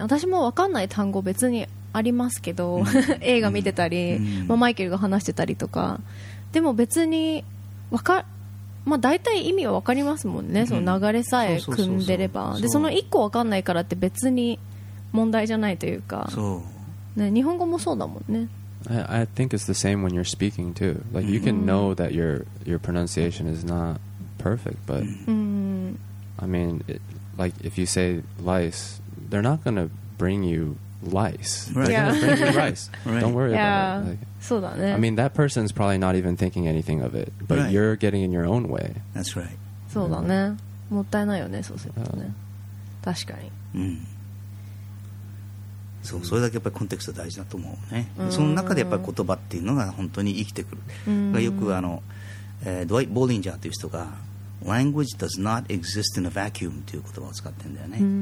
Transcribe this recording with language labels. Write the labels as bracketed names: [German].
[Japanese] 私も分かんない単語別にありますけど、うん、映画見てたり、うんまあ、マイケルが話してたりとかでも別に分か、まあ、大体意味は分かりますもんね、うん、その流れさえ組んでればでその一個分かんないからって別に問題じゃないというかそう、ね、日本語もそうだもんね。 [English] I think it's the same when you're speaking too. Like you can know that your pronunciation is not perfect but、 [Japanese] うん、 [English] I mean it, like if you say lice they're not going to bring you lice. They're、 yeah. going to bring you rice. 、 right. Don't worry、 yeah. about it. Like, [Japanese] そうだね。 [English] I mean, that person's probably not even thinking anything of it, but、 you're getting in your own way. That's right. [Japanese] そうだね。もったいないよね、そうするとね。確かに。うん。そう、それだけやっぱりコンテクスト大事だと思うね。その中でやっぱり言葉っていうのが本当に生きてくる。よくあの、ドワイト・ボーリンジャーという人が [English] Language does not exist in a vacuum [Japanese] という言葉を使ってるんだよね。